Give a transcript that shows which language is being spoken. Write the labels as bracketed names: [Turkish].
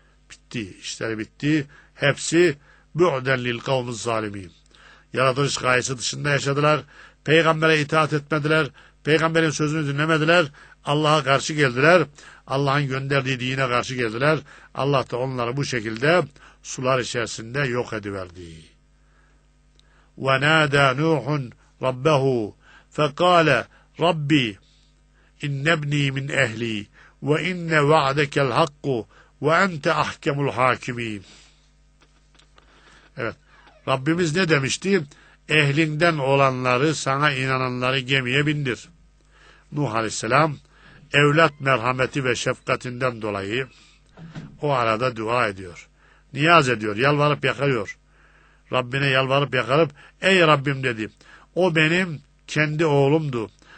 [Turkish] Bitti, işleri bitti. Hepsi bu'den [Arabic] lil kavmiz zalimîn. [Turkish] Yaratılış gayesi dışında yaşadılar. Peygamber'e itaat etmediler. Peygamber'in sözünü dinlemediler. Allah'a karşı geldiler. Allah'ın gönderdiği dine karşı geldiler. Allah da onları bu şekilde sular içerisinde yok ediverdi. [Arabic] ونادى نوح ربه فقال ربي إن ابني من أهلي وإن وعدك الحق وأنت أحكم الحاكمين. [Turkish] Evet, Rabbimiz ne demişti? Ehlinden olanları, sana inananları gemiye bindir. Nuh Aleyhisselam, evlat merhameti ve şefkatinden dolayı o arada dua ediyor. Niyaz ediyor, yalvarıp yakarıyor. Rabbine yalvarıp yakarıp, ey Rabbim dedi, o benim kendi oğlumdu.